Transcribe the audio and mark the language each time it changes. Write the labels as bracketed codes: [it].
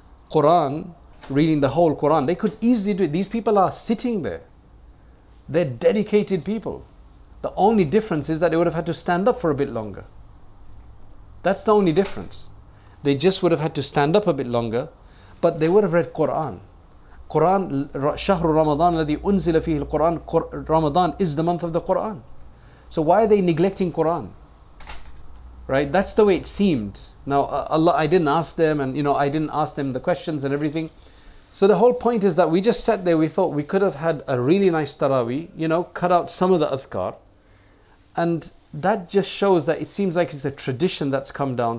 [en] Quran, reading the whole Quran, they could easily do it. These people are sitting there. They're dedicated people. The only difference is that they would have had to stand up for a bit longer. That's the only difference. They just would have had to stand up a bit longer, but they would have read Quran. [ar] Quran, شهر رمضان الذي أنزل فيه القرآن. [en] Ramadan is the month of the Quran. So why are they neglecting Quran? Right? That's the way it seemed. Now, Allah, I didn't ask them, and you know, I didn't ask them the questions and everything. So the whole point is that we just sat there. We thought we could have had a really nice Taraweeh. You know, cut out some of the adhkar, and that just shows that it seems like it's a tradition that's come down.